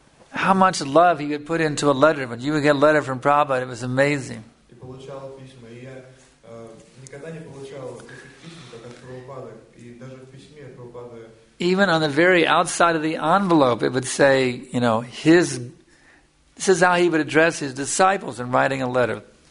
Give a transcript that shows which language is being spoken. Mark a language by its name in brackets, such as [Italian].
[English] How much love he would put into a letter. When you would get a letter from Prabhupada, it was amazing. [Russian] получал письма, и я никогда не получал таких писем, как от Прабхупады, и даже в письме Прабхупады. [English] Even on the very outside of the envelope, it would say, you know, his. This is how he would address his disciples in writing a letter.